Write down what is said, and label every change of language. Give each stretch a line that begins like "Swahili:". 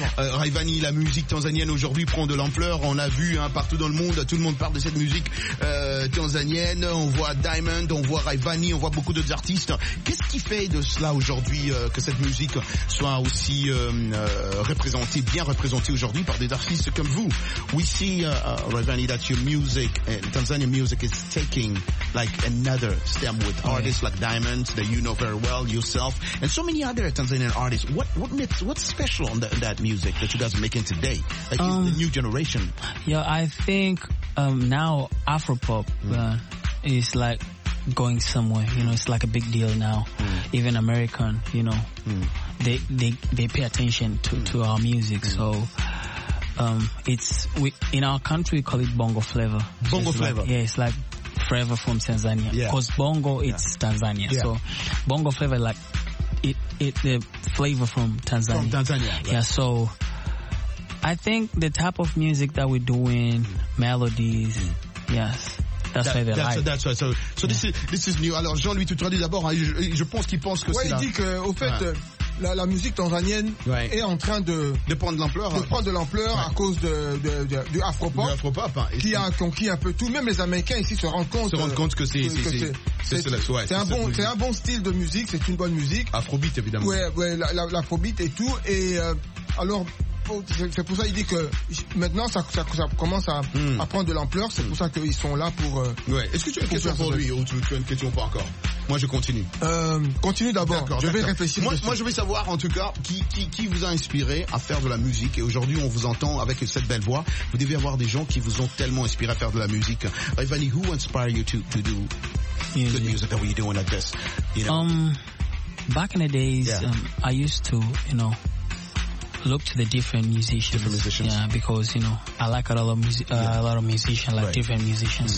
French: Ray Van Hill, la musique tanzanienne aujourd'hui prend de l'ampleur. On a vu partout dans le monde, tout le monde parle de cette musique tanzanienne. On voit Diamond, on voit Ray Van Hill, on voit beaucoup d'autres artistes. Qu'est-ce qui fait de cela aujourd'hui que cette musique soit aussi représentée, bien représentée aujourd'hui par des artistes comme vous?
English: We see, Ray Van Hill, that your music, Tanzanian music, is taking like another step with artists like Diamond, that you know very well yourself, and so many other Tanzanian artists. What's special on that music that you guys are making today? Like the new generation. Yeah, I think now Afropop is like going somewhere. You know, it's like a big deal now. Mm. Even American, you know, they pay attention to our music. Mm. So. In our country we call it Bongo Flavor. Bongo it's Flavor. Like, yeah, it's like flavor from Tanzania. Because Bongo it's Tanzania. Yeah. So Bongo Flavor like it the flavor from Tanzania. From Tanzania. Right. Yeah, so I think the type of music that we're doing, melodies, yes. This is new.
French: Alors Jean-Louis, tu traduis d'abord, hein, je pense qu'il pense que il dit que au fait la musique tanzanienne est en train de prendre de l'ampleur. À cause de Afropop. De Afropop, hein, qui a conquis un peu tout. Même les Américains ici se rendent compte que c'est cela. C'est un bon style de musique, c'est une bonne musique. Afrobeat, évidemment. Ouais, l'Afrobeat et tout. Et alors, c'est pour ça qu'il dit que maintenant ça commence à prendre de l'ampleur. C'est pour ça qu'ils sont là pour. Ouais. Est-ce que tu as une question pour lui ou tu as une question pas encore? Moi je continue. Continue d'abord. D'accord, vais réfléchir. Moi je veux savoir en tout cas qui vous a inspiré à faire de la musique. Et aujourd'hui on vous entend avec cette belle voix. Vous devez avoir des gens qui vous ont tellement inspiré à faire de la musique.
English: Ivani, who inspired you to do the music that we're doing like this? You know? Back in the days, I used to, you know, look to the different musicians. Different musicians. Yeah, because you know I like a lot of a lot of musicians, like different musicians.